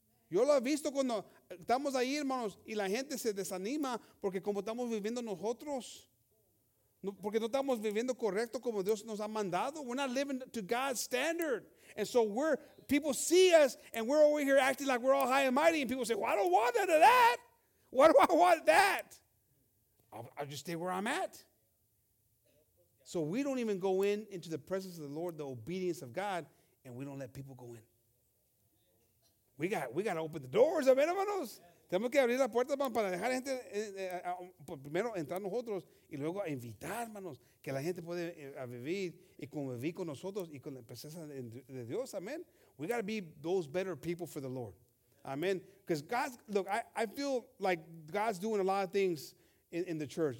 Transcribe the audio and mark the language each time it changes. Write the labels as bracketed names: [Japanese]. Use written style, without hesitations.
[Spanish] Yo lo he visto cuando estamos ahí, hermanos, y la gente se desanima porque como estamos viviendo nosotros. No, porque no estamos viviendo correcto como Dios nos ha mandado. [English] We're not living to God's standard. And so people see us and we're over here acting like we're all high and mighty. And people say, well, I don't want none of that. Why do I want that? I'll just stay where I'm at. So we don't even go into the presence of the Lord, the obedience of God, and we don't let people go in. We got to open the doors, amen, hermanos. [Spanish] Tenemos que abrir la puerta para dejar gente, primero entrar nosotros y luego invitar, hermanos, que la gente pueda vivir y convivir con nosotros y con la presencia de Dios, amen. [English] We got to be those better people for the Lord, amen. Because I feel like God's doing a lot of things in the church.